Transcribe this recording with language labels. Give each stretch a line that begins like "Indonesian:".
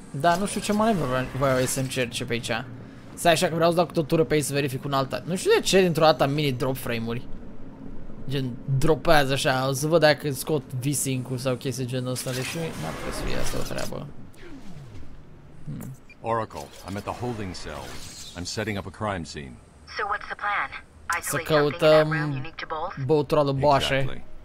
Romanian: Da, nu știu ce manevră voi să încerce pe aici. Stai așa că vreau să dau câte o tură pe aici să verific un alta. Nu știu de ce dintr-o dată mini drop frame-uri. Gen, dropează așa, o să văd dacă scot V-Sync-ul sau chestii genul ăsta. Deși nu ar trebui să fie asta o treabă.
English: Oracle, I'm at the holding cell. I'm setting up a crime scene. So what's the plan?
Romanian: Să căutăm băutura lui Boașe.